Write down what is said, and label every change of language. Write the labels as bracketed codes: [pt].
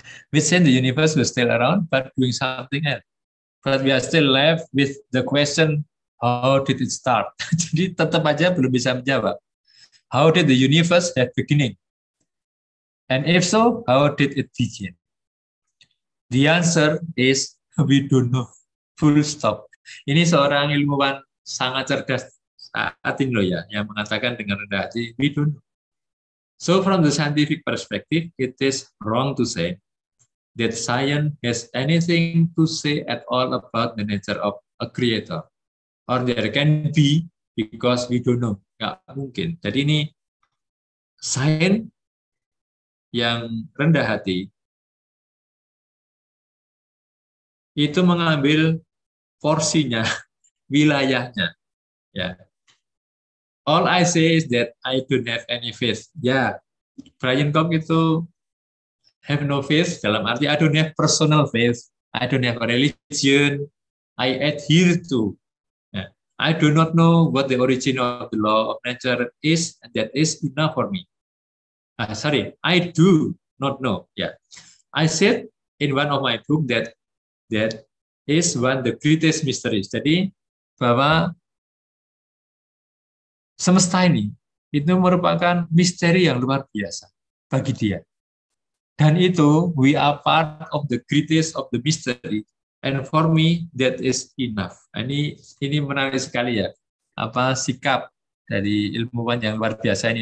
[en] Which says the universe was still around, but doing something else. But we are still left with the question, how did it start? [id] Jadi tetap aja belum bisa menjawab. [en] How did the universe have beginning? And if so, how did it begin? The answer is we don't know. Full stop. [id] Ini seorang ilmuwan sangat cerdas saat ini loh ya, yang mengatakan dengan rendah hati, [en] we don't know. So from the scientific perspective, it is wrong to say that science has anything to say at all about the nature of a creator. Or there can be because we don't know. [id] Nggak mungkin. Jadi ini science yang rendah hati itu mengambil porsinya, wilayahnya. Yeah. [en] All I say is that I don't have any faith. Yeah. Brian Cox itu have no faith, [id] dalam arti [en] I don't have personal faith, I don't have a religion, I adhere to. Yeah. I do not know what the origin of the law of nature is, and that is enough for me. I do not know. Yeah. I said in one of my book that is one of the greatest mysteries. [id] Jadi, bahwa semesta ini, itu merupakan misteri yang luar biasa bagi dia. Dan itu, [en] we are part of the greatest of the mystery. And for me, that is enough. [id] Ini menarik sekali ya. Apa sikap dari ilmuwan yang luar biasa ini.